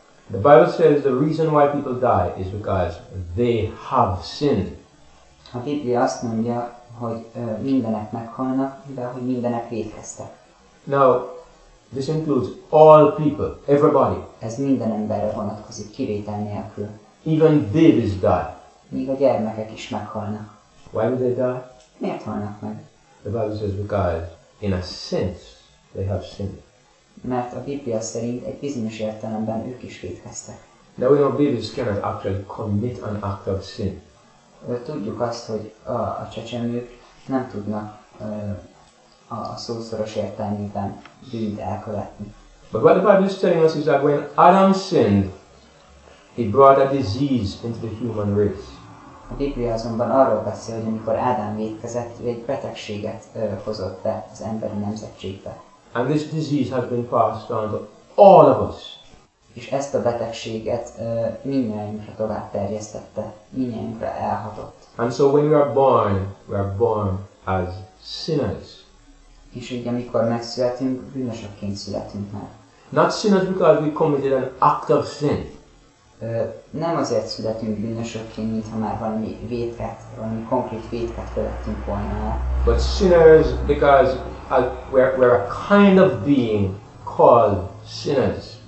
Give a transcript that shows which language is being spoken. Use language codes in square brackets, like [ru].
[en] The Bible says the reason why people die is because they have sinned. [hu] A Biblia azt mondja, hogy mindenek meghalnak, de hogy mindenek vétkeztek. [en] Now, this includes all people, everybody. [hu] Ez minden emberre vonatkozik, kivétel nélkül. [en] Even babies die. [hu] Még a gyermekek is meghalnak. [en] Why would they die? [hu] Miért halnak meg? [en] The Bible says because, in a sense, they have sinned. [hu] Mert a Biblia szerint egy bizonyos értelemben ők is vétkeztek. [en] Now we know babies cannot actually commit an act of sin. [hu] Tudjuk azt, hogy a csecsemők nem tudnak a szószoros értelmében bűnt elkövetni. [en] But what the Bible is telling us is that when Adam sinned, he brought a disease into the human race. [hu] A Biblia azonban arról beszél, hogy amikor Ádám vétkezett, egy betegséget hozott be az emberi nemzetségbe. [en] And this disease has been passed on to all of us. [hu] És ezt a betegséget mindannyiunkra tovább terjesztette, mindannyiunkra elhatott. [en] And so when we are born as sinners. [hu] És így amikor megszületünk, bűnösökként születünk már. [en] Not sinners because we committed an act of sin. [hu] Nem azért születünk bűnösökként, mintha már valami vétket, valami konkrét vétket követtünk volna. [en] But sinners because we're a kind of being called sinners.